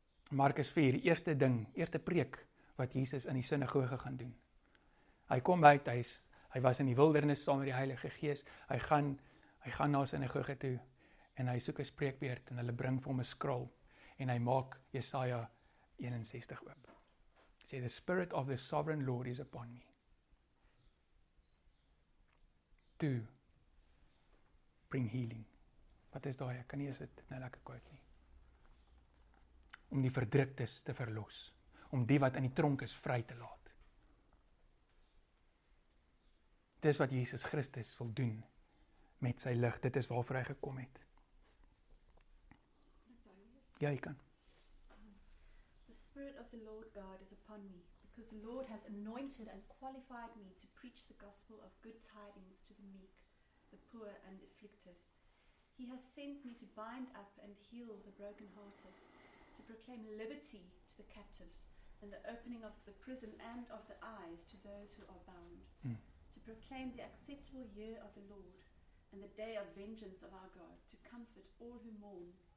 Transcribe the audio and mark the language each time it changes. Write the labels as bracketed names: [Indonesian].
[Afrikaans] Markus 4, die eerste preek wat Jesus in die sinagoge gaan doen. Hy kom uit, hy was in die wildernis saam met die Heilige Gees. Hy gaan na sinagoge toe en hy soek 'n spreekbeurt en hulle bring vir hom 'n skrol. En hy maak Jesaja 61 oop. Hy sê, [English] the spirit of the sovereign Lord is upon me. To bring healing. [Afrikaans] Wat is daar? Ek kan nie eens dit nou lekker kwyt nie. Om die verdruktes te verlos. Om die wat in die tronk is vry te laat. Dis wat Jesus Christus wil doen met sy lig. Dit is waarvoor hy gekom het. Ja, jy kan. [English] The spirit of the Lord God is upon me because the Lord has anointed and qualified me to preach the gospel of good tidings to the meek, the poor and afflicted. He has sent me to bind up and heal the brokenhearted, to proclaim liberty to the captives and the opening of the prison and of the eyes to those who are bound, to proclaim the acceptable year of the Lord and the day of vengeance of our God, to comfort all who mourn,